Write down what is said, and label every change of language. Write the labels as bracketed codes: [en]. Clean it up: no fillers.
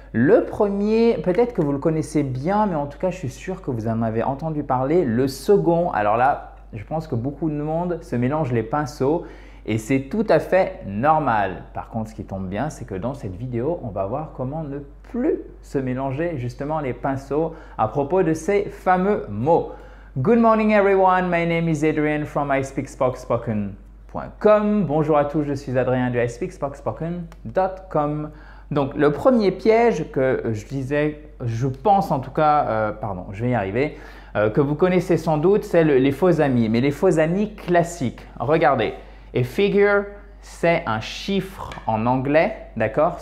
[fr] Le premier, peut-être que vous le connaissez bien, mais en tout cas, je suis sûr que vous en avez entendu parler. Le second, alors là, je pense que beaucoup de monde se mélange les pinceaux et c'est tout à fait normal. Par contre, ce qui tombe bien, c'est que dans cette vidéo, on va voir comment ne plus se mélanger justement les pinceaux à propos de ces fameux mots. [en] Good morning everyone, my name is Adrian from iSpeakSpokespoken.com. [fr] Bonjour à tous, je suis Adrien du iSpeakSpokespoken.com. Donc, le premier piège que je disais, je pense en tout cas, pardon, je vais y arriver, que vous connaissez sans doute, c'est les faux amis. Mais les faux amis classiques, regardez. A figure, c'est un chiffre en anglais, d'accord?